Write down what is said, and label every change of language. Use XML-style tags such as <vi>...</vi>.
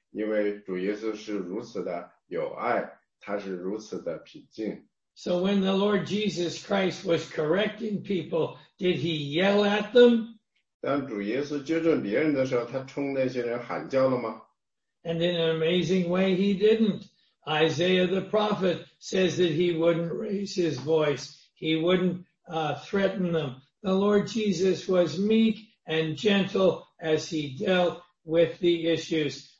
<zh>因为主耶稣是如此的有爱，他是如此的平静。</zh> <en>So when the Lord Jesus Christ was correcting people, did he yell at them?</en> <zh>当主耶稣纠正别人的时候，他冲那些人喊叫了吗？</zh> <en>And in an amazing way, he didn't. Isaiah the prophet says that he wouldn't raise his voice. He wouldn't, threaten them. The Lord Jesus was meek and gentle as he dealt with the issues.</en>